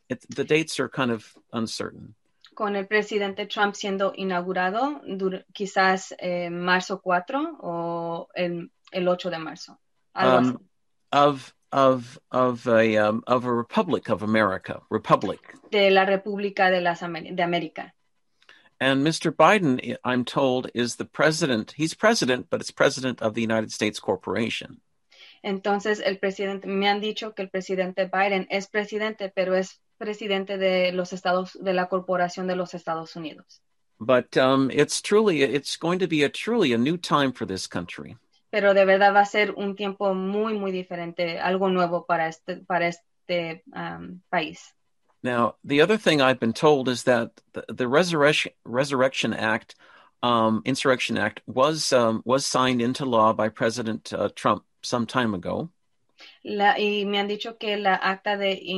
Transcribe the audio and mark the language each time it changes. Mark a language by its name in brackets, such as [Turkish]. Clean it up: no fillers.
[English] The dates are kind of uncertain. [Spanish] Con el presidente Trump siendo inaugurado, quizás marzo 4 o el 8 de marzo. [English] Of a republic of America, [Spanish] De la República de las de América. [English] And Mr. Biden, I'm told, is the president. He's president, but it's president of the United States Corporation. [Spanish] Entonces, el presidente, me han dicho que el presidente Biden es presidente, pero es presidente de los Estados, de la Corporación de los Estados Unidos. [English] But it's going to be a new time for this country. [Spanish] Pero de verdad va a ser un tiempo muy, muy diferente, algo nuevo para este país. [English] Now, the other thing I've been told is that the Resurrection Act, Insurrection Act, was signed into law by President Trump some time ago. [Spanish] Y me han dicho que la acta de